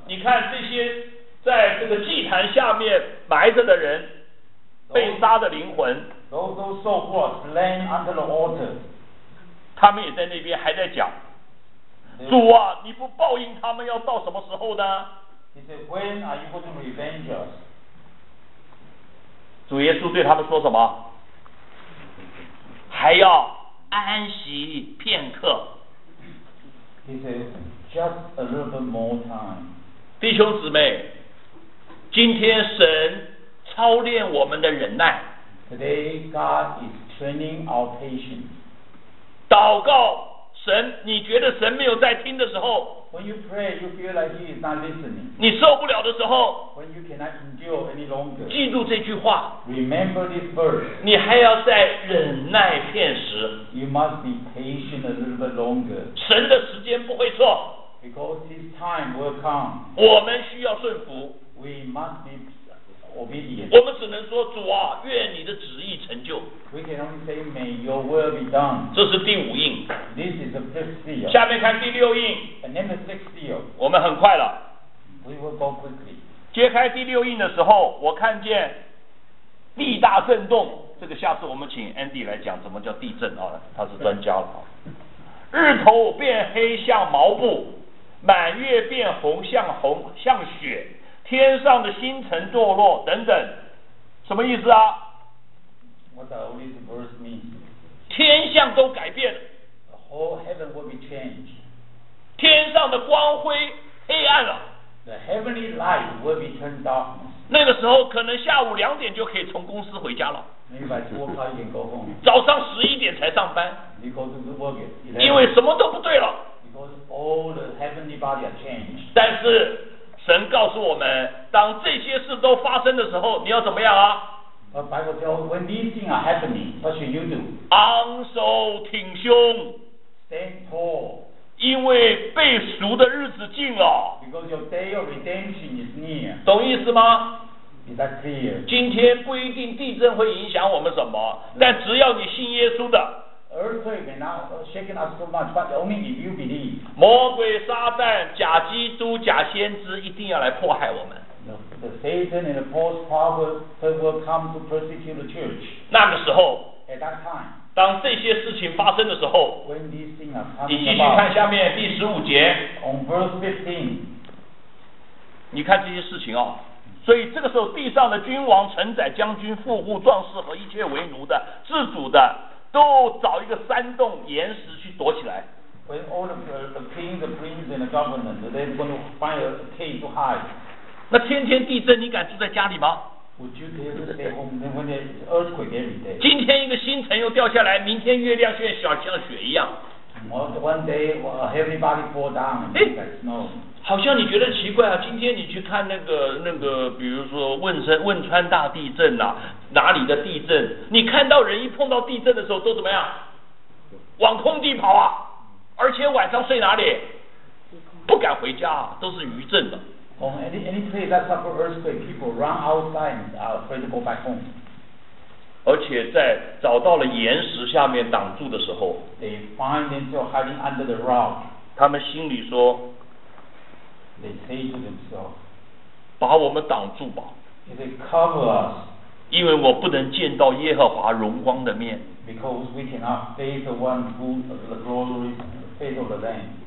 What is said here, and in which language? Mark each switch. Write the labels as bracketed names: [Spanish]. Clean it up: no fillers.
[Chinese] 你看这些在这个祭坛下面埋着的人，被杀的灵魂， [English] those so called slain under the altar， [Chinese] 他们也在那边还在讲，主啊，你不报应他们要到什么时候呢？ [English] He said, when are you going to revenge us？ [Chinese] 主耶稣对他们说什么？还要安息片刻。 [English] He said, just a little bit more time。 [Chinese] 弟兄姊妹，今天神操练我们的忍耐。 [English] Today God is training our patience。 [Chinese] 祷告神，你觉得神没有在听的时候， [English] When you pray, you feel like he is not listening. [Chinese] 你受不了的时候， [English] When you cannot endure any longer, [Chinese] 记住这句话， [English] Remember this verse. [Chinese] 你还要再忍耐片时， [English] You must be patient a little bit longer. [Chinese] 神的时间不会错， [English] Because his time will come. [Chinese] 我们需要顺服， [English] We must be obedient. [Chinese] 我们只能说，主啊，愿你的旨意成就。 [English] We can only say, may your will be done. [Chinese] 这是第五印。 [English] This is the fifth seal. [Chinese] 下面看第六印。 [English] And then the sixth seal. [Chinese] 我们很快了。 [English] We will go quickly. [Chinese] 揭开第六印的时候，我看见地大震动。这个下次我们请 Andy 来讲什么叫地震啊，他是专家了。日头变黑像毛布，满月变红像红像雪，天上的星辰堕落等等，什么意思啊？ [English] What does all these words mean? [Chinese] 天象都改变了。 [English] The whole heaven will be changed. [Chinese] 天上的光辉黑暗了。 [English] The heavenly light will be turned darkness. [Chinese] 那个时候可能下午两点就可以从公司回家了。 [English] Maybe by 2 o'clock you can go home. [Chinese] 早上十一点才上班。 [English] Because the work is 11. [Chinese] 因为什么都不对了。 [English] Because all the heavenly body are changed. [Chinese] 但是神告诉我们，当这些事都发生的时候，你要怎么样啊？ [English] But Bible tells when these things are happening, what should you do? [Chinese] 昂首挺胸。 [English] Stand tall. [Chinese] 因为被赎的日子近了。 [English] Because your day of redemption is near. [Chinese] 懂意思吗？ [English] Is that clear? [Chinese] 今天不一定地震会影响我们什么，但只要你信耶稣的。 [English] Earthquake may not shake us so much, but only if you believe. [Chinese] 魔鬼、撒旦、假基督、假先知一定要来迫害我们。 [English] The Satan and the false prophets will come to persecute the church. [Chinese] 那个时候， [English] at that time, [Chinese] 当这些事情发生的时候， [English] when these things are coming [Chinese] about, 你继续看下面第十五节。 [English] On verse 15, [Chinese] 你看这些事情哦。所以这个时候，地上的君王、臣宰、将军、富户、壮士和一切为奴的、自主的，都找一个山洞岩石去躲起来。 [English] When all the kings, the princes, and the government, they're going to find a cave to hide. [Chinese] 那天天地震，你敢住在家里吗？ [English] Would you dare to stay home when there's earthquake every day? [Chinese] 今天一个星辰又掉下来，明天月亮却小像雪一样。 [English] One day, a heavy body fall down and like snow. [Chinese] 好像你觉得奇怪啊，今天你去看那个，比如说汶川大地震呐、啊，哪里的地震？你看到人一碰到地震的时候都怎么样？往空地跑啊！而且晚上睡哪里？不敢回家、啊，都是余震的。 [English] Oh, any place that suffer earthquake, people run outside and are afraid to go back home. [Chinese] 而且在找到了岩石下面挡住的时候 [English] ，they find themselves hiding under the rock. [Chinese] 他们心里说。 [English] They say to themselves, [Chinese] 把我们挡住吧， [English] they cover us, [Chinese] 因为我不能见到耶和华荣光的面。 [English] Because we cannot face the one who the glory face of the land.